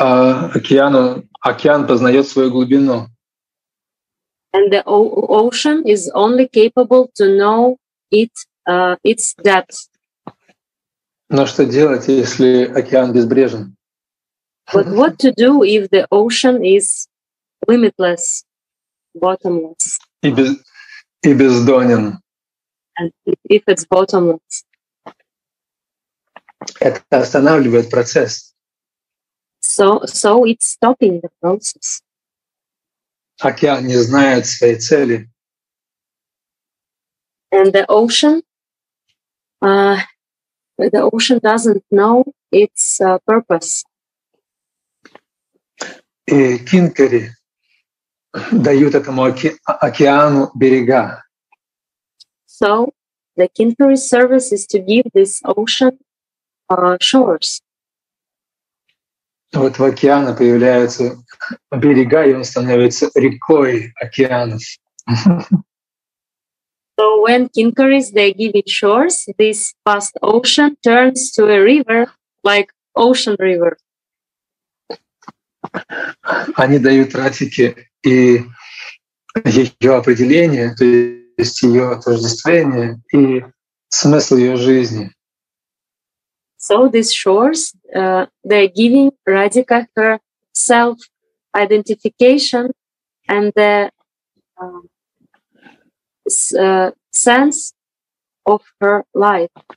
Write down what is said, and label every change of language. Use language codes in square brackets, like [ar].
[ru] Океан познает свою глубину. [en] And the ocean is only capable to know its depth. [ru] Но что делать, если океан безбрежен? [en] But what to do if the ocean is limitless, bottomless. [ru] И бездонен. [en] And if it's bottomless. [ru] Это останавливает процесс. [en] So it's stopping the process. [ru] Океан не знает своей цели. [en] And the ocean, doesn't know its purpose. [ru] И Кинкари дают этому океану берега. [en] So the Kinkari service is to give this ocean shores. [ru] Вот в океане появляются берега, и он становится рекой океанов. [en] So when Kinkaris they give it shores, this vast ocean turns to a river, like ocean river. [ru] Они дают Радхике и ее определение, то есть ее отождествление и смысл ее жизни. [en] So these shores, they're giving Radhika her self-identification and the sense of her life.